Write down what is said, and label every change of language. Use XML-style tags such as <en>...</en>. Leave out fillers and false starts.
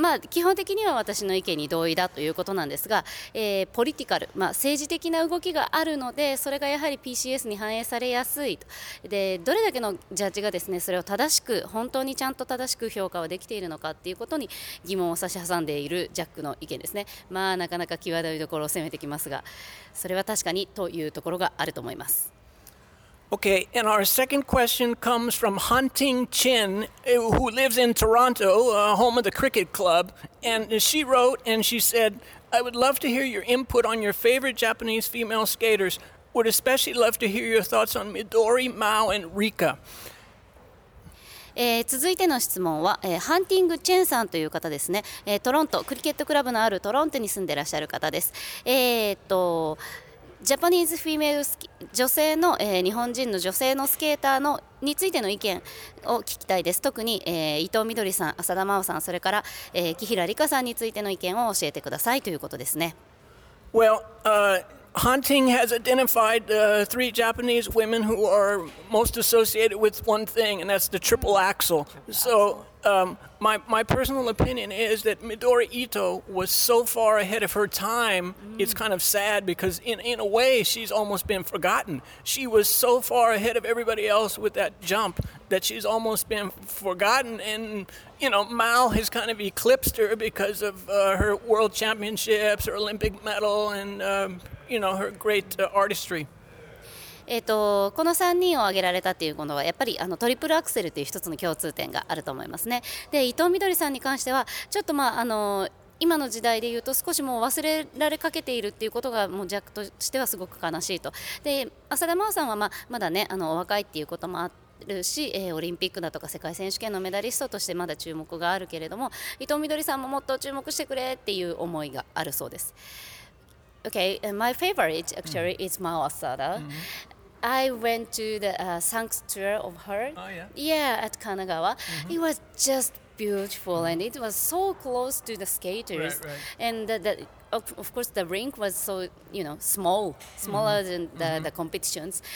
<ja>基本的には私の意見に同意だということなんですが、ポリティカル、政治的な動きがあるので、それがやはり PCS に反映されやすいと。でどれだけのジャッジがですね、それを正しく、本当にちゃんと正しく評価はできているのかということに疑問を差し挟んでいるジャックの意見ですね。なかなか際どいところを攻めてきますが、それは確かにというところがあると思います。</ja> <en>Okay, and our second question comes from Hunting Chin, who lives in Toronto, home of the cricket club. And she wrote and she said, I would love to hear your input on your favorite Japanese female skaters. Would especially love to hear your thoughts on Midori, Mao, and Rika.</en> <ja>続いての質問は、ハンティング・チェンさんという方ですね、トロント、クリケットクラブのあるトロントに住んでらっしゃる方です。</ja> <en>ジャパニーズフィメール</en> <ja>女性の、日本人の女性のスケーターのについての意見を聞きたいです。特に、伊藤みどりさん、浅田真央さん、それから、木平理香さんについての意見を教えてくださいということですね。</ja> <en>Well, Hunting has identified three Japanese women who are most associated with one thing, and that's the triple axel. So my personal opinion is that Midori Ito was so far ahead of her time, it's kind of sad because in a way she's almost been forgotten. She was so far ahead of everybody else with that jump that she's almost been forgotten. And, you know, Mao has kind of eclipsed her because of her world championships, her Olympic medal, and... you know, her great artistry.</en> <ja>この3人を挙げられたということは、やっぱりあのトリプルアクセルという一つの共通点があると思いますね。で、伊藤みどりさんに関しては、ちょっと今の時代で言うと少しもう忘れられかけているっていうことがもう弱としてはすごく悲しいと。で、浅田真央さんはまだね、お若いっていうこともあって、オリンピックだとか世界選手権のメダリストとしてまだ注目があるけれども、伊藤みどりさんももっと注目してくれっていう思いがあるそうです。</ja> <en>Okay, my favorite actually is Mao Asada. I went to the Sanx tour of her. Oh yeah? Yeah, at Kanagawa. It was just beautiful and it was so close to the skaters. Right. And of course the rink was so, you know, smaller than the competitions.</en>